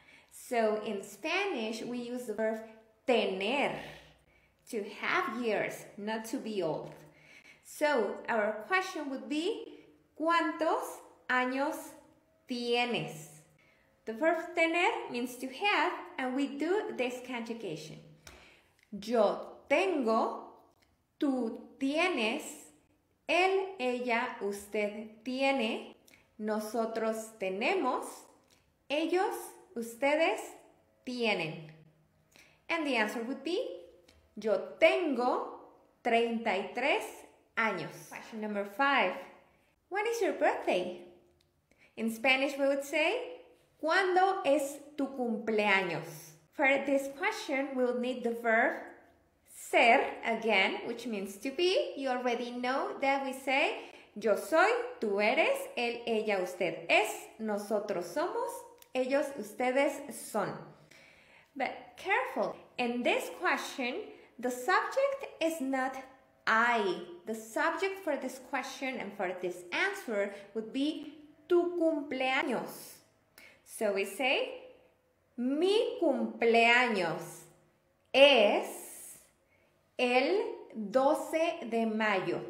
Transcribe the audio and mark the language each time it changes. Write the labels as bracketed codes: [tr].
[en] So in Spanish, we use the verb tener, to have years, not to be old. So our question would be, [es] ¿cuántos años tienes? [en] The verb tener means to have, and we do this conjugation. [es] Yo tengo, tú tienes, él, ella, usted tiene, nosotros tenemos, ellos, ustedes tienen. [en] And the answer would be, [es] yo tengo 33 años. [en] Question number five. When is your birthday? In Spanish we would say, [es] ¿cuándo es tu cumpleaños? [en] For this question, we'll need the verb ser again, which means to be. You already know that we say, [es] yo soy, tú eres, él, ella, usted es, nosotros somos, ellos, ustedes son. [en] But careful, in this question, the subject is not I, The subject for this question and for this answer would be [es] tu cumpleaños. [en] So we say, [es] mi cumpleaños es el 12 de mayo.